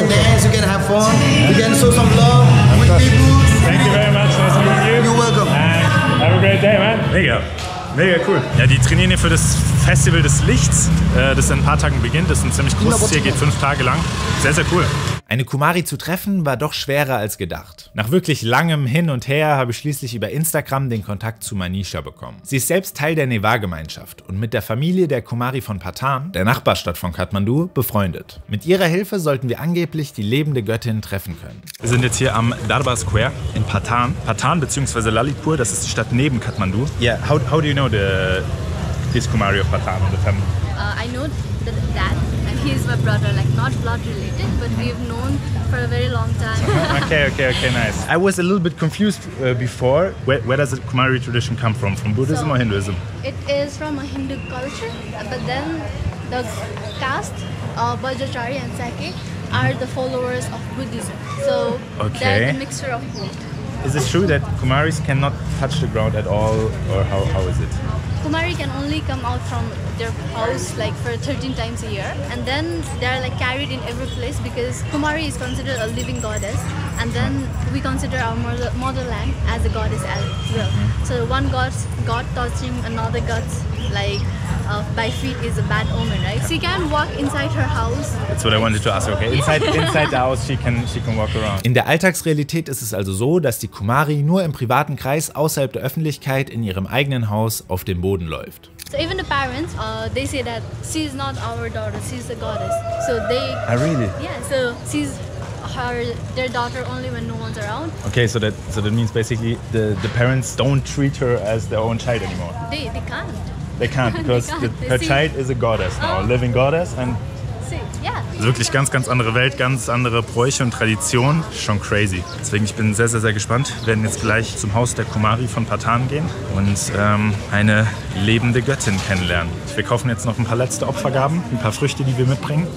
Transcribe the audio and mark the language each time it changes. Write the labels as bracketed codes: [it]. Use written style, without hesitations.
[en] You can dance, you can have fun, you can show some love with people. Thank you very much, nice to meet you. You're welcome. And have a great day, man. Mega. Mega cool. [de] Ja, die trainieren hier für das Festival des Lichts, das in ein paar Tagen beginnt. Das ist ein ziemlich großes Ziel, geht 5 Tage lang. Sehr, sehr cool. Eine Kumari zu treffen war doch schwerer als gedacht. Nach wirklich langem Hin und Her habe ich schließlich über Instagram den Kontakt zu Manisha bekommen. Sie ist selbst Teil der Nevar-Gemeinschaft und mit der Familie der Kumari von Patan, der Nachbarstadt von Kathmandu, befreundet. Mit ihrer Hilfe sollten wir angeblich die lebende Göttin treffen können. Wir sind jetzt hier am Darbar Square in Patan. Patan bzw. Lalitpur, das ist die Stadt neben Kathmandu. [en] Yeah, how do you know this Kumari of Patan and the family? I know that he's my brother, like not blood related, but we've known for a very long time. okay, nice. I was a little bit confused before. Where does the Kumari tradition come from? From Buddhism or Hinduism? It is from a Hindu culture, but then the caste, Vajracharya and Sakya, are the followers of Buddhism. So okay. They're a mixture of both. Is it true that Kumaris cannot touch the ground at all, or how is it? Kumari can only come out from their house like for 13 times a year, and then they are like carried in every place because Kumari is considered a living goddess, and then we consider our motherland as a goddess as well. So one god touching another god's like by feet is a bad omen, right? She can walk inside her house. That's what I wanted to ask. Okay, inside the house she can walk around. [de] In der Alltagsrealität ist es also so, dass die Kumari nur im privaten Kreis außerhalb der Öffentlichkeit in ihrem eigenen Haus auf dem Boden läuft. [en] So even the parents, they say that she is not our daughter, she is a goddess. So they... Oh, really? Yeah, so she's their daughter only when no one's around. Okay, so that means basically the parents don't treat her as their own child anymore. They can't. They can't, because they can't. Her child is a goddess now, a living goddess. And see, yeah. [de] Also wirklich ganz, ganz andere Welt, ganz andere Bräuche und Traditionen. Schon crazy. Deswegen, ich bin sehr, sehr, sehr gespannt. Wir werden jetzt gleich zum Haus der Kumari von Patan gehen und eine lebende Göttin kennenlernen. Wir kaufen jetzt noch ein paar letzte Opfergaben, ein paar Früchte, die wir mitbringen.